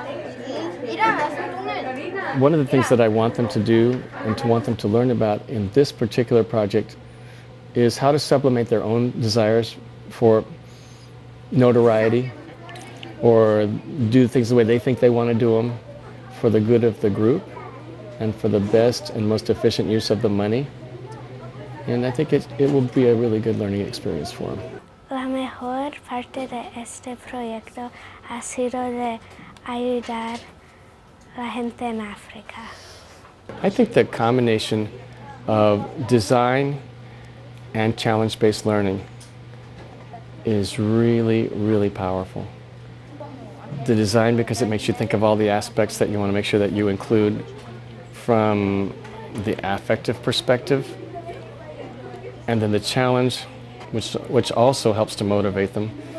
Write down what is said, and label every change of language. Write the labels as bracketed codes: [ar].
[en] one of the things that I want them to do and to want them to learn about in this particular project is how to sublimate their own desires for notoriety or do things the way they think they want to do them for the good of the group and for the best and most efficient use of the money. And I think it will be a really good learning experience for them. [es] La mejor parte de este proyecto ha sido de ayudar la gente en África. [en] I think the combination of design and challenge-based learning is really, really powerful. The design, because it makes you think of all the aspects that you want to make sure that you include from the affective perspective, and then the challenge, which also helps to motivate them.